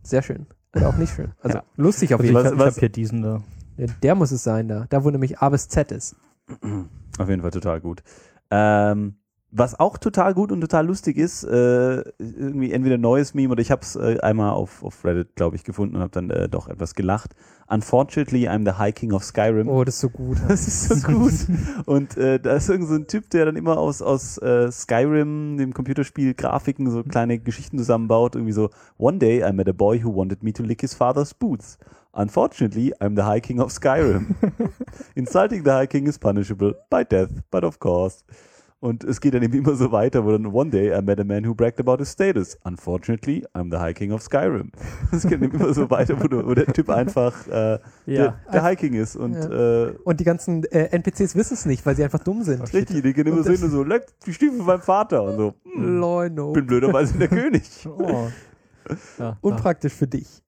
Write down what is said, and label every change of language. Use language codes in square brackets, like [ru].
[de] Sehr schön. Oder auch nicht schön. Also ja. Lustig auf jeden Fall. Ich hab hier diesen da. Ja, der muss es sein da. Da, wo nämlich A bis Z ist. Auf jeden Fall total gut. Was auch total gut und total lustig ist, irgendwie entweder neues Meme oder ich habe es einmal auf Reddit, glaube ich, gefunden und habe dann doch etwas gelacht. [en] Unfortunately, I'm the High King of Skyrim. [de] Oh, das ist so gut. Das ist so gut. Und da ist irgend so ein Typ, der dann immer aus Skyrim, dem Computerspiel, Grafiken, so kleine Geschichten zusammenbaut. Irgendwie so, [en] one day I met a boy who wanted me to lick his father's boots. Unfortunately, I'm the High King of Skyrim. Insulting the High King is punishable by death, but of course... [de] Und es geht dann eben immer so weiter, wo dann [en] one day I met a man who bragged about his status. Unfortunately, I'm the High King of Skyrim. [de] Es geht dann immer so weiter, wo der Typ einfach der High King ist. Und, ja. Und die ganzen NPCs wissen es nicht, weil sie einfach dumm sind. Richtig, die gehen immer so hin und so, leck die Stiefel beim Vater. Und so, Leuno. Bin blöderweise der König. Oh. Ja, unpraktisch für dich.